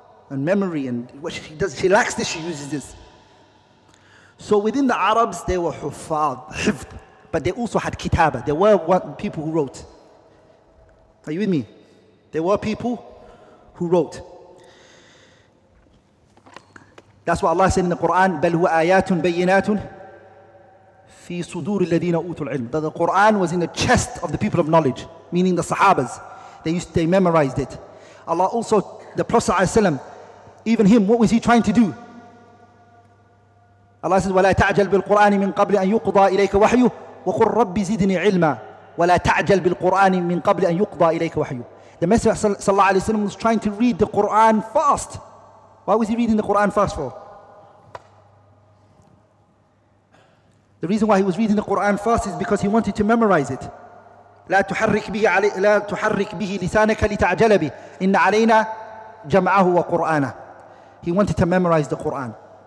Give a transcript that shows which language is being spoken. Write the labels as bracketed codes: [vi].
[en] And memory, and what she does, she lacks this, she uses this. So within the Arabs, they were hifd, but they also had kitaba. There were people who wrote. Are you with me? There were people who wrote. That's what Allah said in the Quran, [ar] بَلْ هُوَ آيَاتٌ بَيِّنَاتٌ فِي صُدُورِ الَّذِينَ أُوتُوا الْعِلْمِ. [en] That the Quran was in the chest of the people of knowledge, meaning the Sahabas. They memorized it. Allah also, the Prophet ﷺ, even him, what was he trying to do? Allah says, [ar] وَلَا تَعْجَلْ بِالْقُرْآنِ مِنْ قَبْلِ أَن يُقْضَى إِلَيْكَ وَحْيُّ وَقُلْ رَبِّ زِدْنِي عِلْمًا وَلَا تَعْجَلْ بِالْقُرْآنِ مِنْ قَبْلِ أَن يُقْضَى إِلَيْكَ وَحْيُّ. [en] The Messenger ﷺ was trying to read the Quran fast. Why was he reading the Quran fast for? The reason why he was reading the Quran fast is because he wanted to memorize it. He wanted to memorize the Quran.